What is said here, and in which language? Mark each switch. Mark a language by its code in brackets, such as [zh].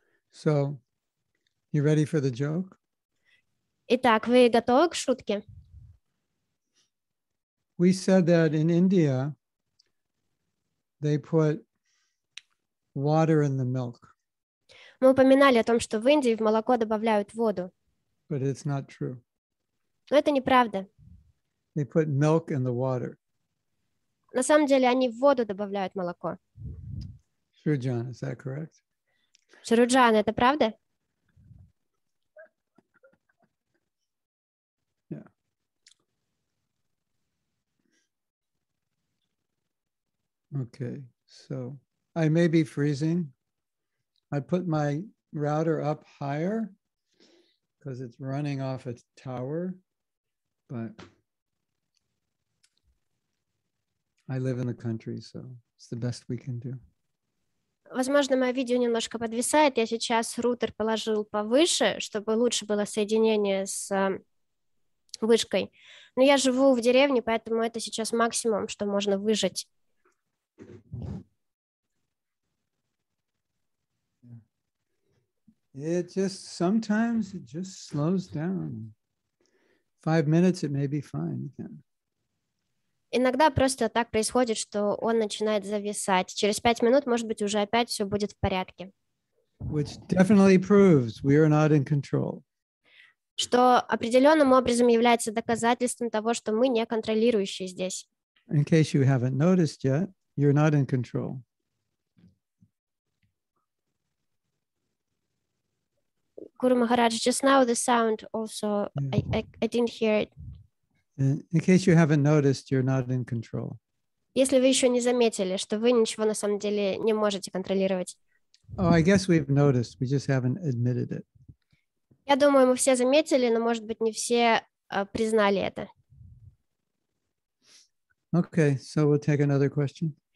[en] So, you ready for the joke? [ru] Итак, вы готовы к шутке? [en] We said that in India they put water in the milk. [ru] Мы упоминали о том, что в Индии в молоко добавляют воду. [en] But it's not true. [ru] Но это неправда. [en] They put milk in the water. [ru] На самом деле они в воду добавляют молоко. [en] Шруджан, is that correct? [ru] Шруджан, это правда? [en] Okay, so I may be freezing. I put my router up higher because it's running off a tower, but I live in the country, so it's the best we can do. [ru] Возможно, мое видео немножко подвисает. Я сейчас роутер положил повыше, чтобы лучше было соединение с вышкой. Но я живу в деревне, поэтому это сейчас максимум, что можно выжить. [en] It just sometimes it just slows down. 5 minutes, it may be fine again. [ru] Иногда просто так происходит, что он начинает зависать. Через 5 минут, может быть, уже опять все будет в порядке. [en] Which definitely proves we are not in control. [ru] Что определенным образом является доказательством того, что мы не контролирующие здесь. [en] In case you haven't noticed yet, you're not in control. Guru Maharaj, just now the sound also, yeah. I didn't hear it. In case you haven't noticed, you're not in control. [ru] Если вы еще не заметили, что вы ничего на самом деле не можете контролировать. [en] Oh, I guess we've noticed, we just haven't admitted it. [ru] Я думаю, мы все заметили, но, может быть, не все признали это. [en] Okay, so we'll take another question.